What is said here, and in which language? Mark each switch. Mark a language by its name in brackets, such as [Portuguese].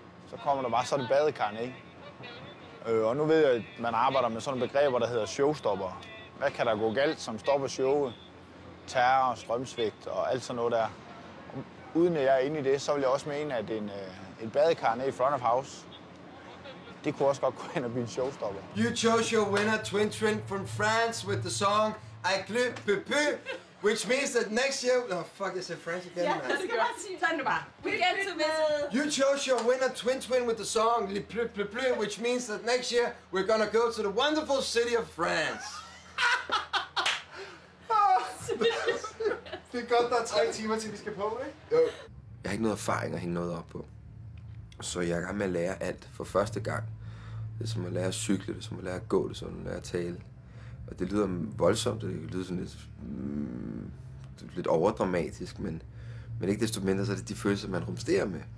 [Danish] Så kommer der bare sådan en badekar, ikke? Og nu ved jeg, at man arbejder med sådan nogle begreber, der hedder showstopper. Hvad kan der gå galt, som stopper showet? Terror, strømsvigt og alt sådan noget der. Og uden at jeg er inde i det, så vil jeg også mene, at en badekar i front of house, det kunne også godt gå ind og blive en showstopper. [English] You chose your winner, Twin Twin from France, with the song I glip pepe. Which means that next year... Oh, fuck, I said French again, [Danish] man. Ja, det skal bare sige. Tag den bare. [English] We get to miss. You chose your winner, Twin Twin, with the song Le Plu Plu Plu, which means that next year we're gonna go to the wonderful city of France. Oh, [Danish] det er godt, der er 3 timer, til vi skal på, ikke? Jo. Jeg har ikke noget erfaring at hænge noget op på. Så jeg er gang med at lære alt for første gang. Det er som at lære at cykle, det er som at lære at gå, det er som at lære at tale. Og det lyder voldsomt, det lyder sådan lidt overdramatisk, men ikke desto mindre, så er det de følelser, man rumsterer med.